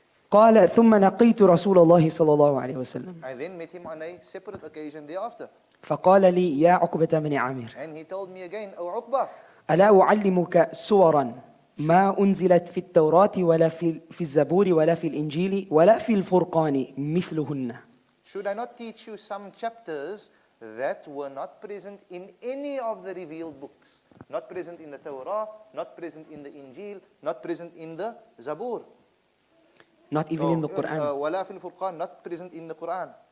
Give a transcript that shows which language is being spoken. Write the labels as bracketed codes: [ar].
[ar] قال ثم لقيت رسول الله صلى الله عليه وسلم. [en] I then met him on a separate occasion thereafter. [ar] فقال لي يا عقبة بن عامر. [en] And he told me again, أو عقبة. [ar] ألا أعلمك سورا ما أنزلت في التوراة ولا في الزبور ولا في الإنجيل ولا في الفرقان مثلهن. [en] Should I not teach you some chapters that were not present in any of the revealed books? Not present in the Torah, not present in the Injil, not present in the Zabur. Not even in the Quran. [ar] وَلَا فِي الْفُرْقَانِ. [en] Not present in the Quran.